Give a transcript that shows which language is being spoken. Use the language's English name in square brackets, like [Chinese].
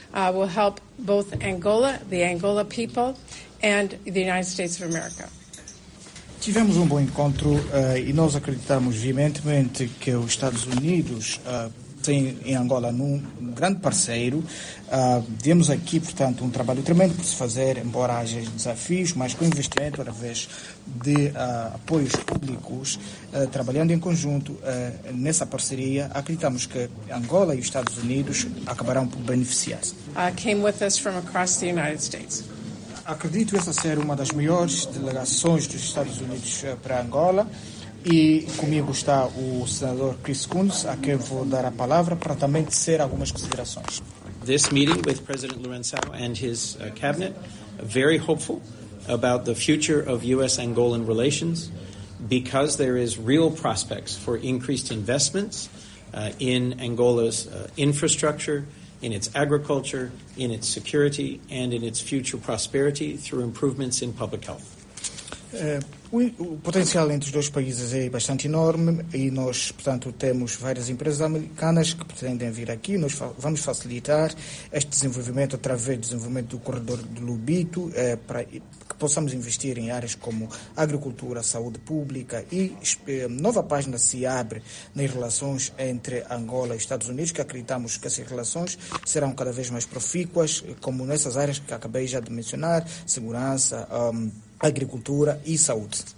[English] I will help both Angola, the Angola people, and the United States of America. [Portuguese] Tivemos um bom encontro e nós acreditamos veementemente que os Estados Unidos têm em Angola um grande parceiro. Temos aqui, portanto, um trabalho tremendo para se fazer, embora haja desafios, mas com investimento através de apoios públicos, trabalhando em conjunto nessa parceria, acreditamos que Angola e os Estados Unidos acabarão por beneficiar-se. [English] Came with us from across the United States. [Portuguese] Acredito essa ser uma das maiores delegações dos Estados Unidos para Angola. E comigo está o senador Chris Coons, a quem vou dar a palavra para também tecer algumas considerações. [English] This meeting with President Lourenço and his cabinet, very hopeful about the future of U.S.-Angolan relations, because there is real prospects for increased investments in Angola's infrastructure, in its agriculture, in its security, and in its future prosperity through improvements in public health. [Portuguese] O potencial entre os dois países é bastante enorme e nós, portanto, temos várias empresas americanas que pretendem vir aqui. Nós vamos facilitar este desenvolvimento através do desenvolvimento do corredor de Lobito, para que possamos investir em áreas como agricultura, saúde pública e nova página se abre nas relações entre Angola e Estados Unidos, que acreditamos que essas relações serão cada vez mais profícuas, como nessas áreas que acabei já de mencionar, segurança, agricultura e saúde.